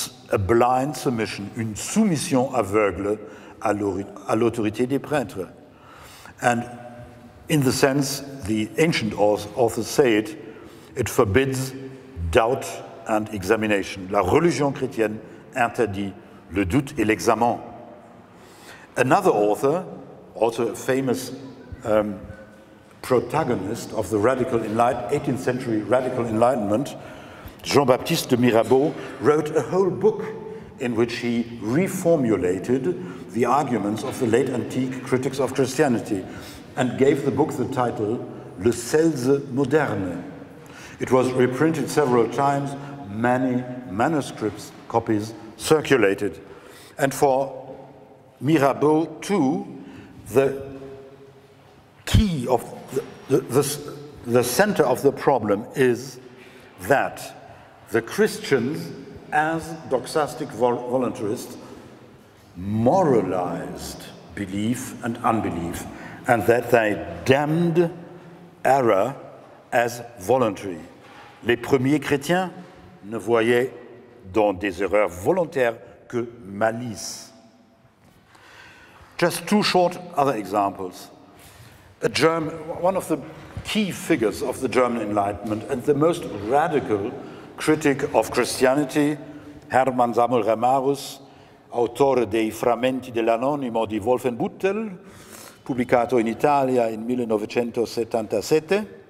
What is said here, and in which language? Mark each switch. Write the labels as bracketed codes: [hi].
[fr] a blind submission, une soumission aveugle à l'autorité des prêtres. [en] And in the sense the ancient authors say it, it forbids doubt and examination. [fr] La religion chrétienne interdit le doute et l'examen. [en] Another author, also a famous protagonist of the radical 18th century radical enlightenment, Jean-Baptiste de Mirabeau, wrote a whole book in which he reformulated the arguments of the late antique critics of Christianity and gave the book the title Le Celse Moderne. It was reprinted several times, many manuscripts, copies circulated. And for Mirabeau too, the key of the center of the problem is that the Christians, as doxastic voluntarists, moralized belief and unbelief, and that they damned error as voluntary. [fr] Les premiers chrétiens ne voyaient dans des erreurs volontaires que malice. [en] Just two short other examples. One of the key figures of the German Enlightenment and the most radical critic of Christianity, Hermann Samuel Remarus, [it] autore dei Frammenti dell'Anonimo di Wolfenbüttel, pubblicato in Italia in 1977,